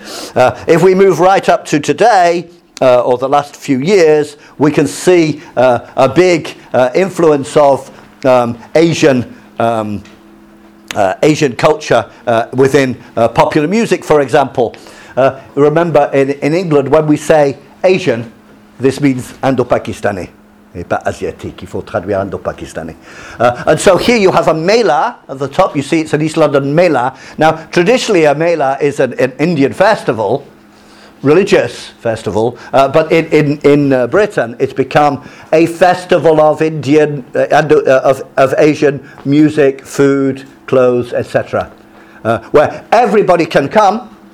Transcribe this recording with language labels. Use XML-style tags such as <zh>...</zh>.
<en>If we move right up to today, or the last few years, we can see a big influence of Asian culture within popular music, for example. Remember, in England, when we say Asian, this means Indo-Pakistani.</en> <fr>Et pas asiatique, il faut traduire Indo-Pakistani.</fr> <en>And so here you have a mela at the top. You see it's an East London mela. Now, traditionally, a mela is an Indian festival, religious festival, but in Britain it's become a festival of Indian of Asian music, food, clothes, etc., where everybody can come,</en>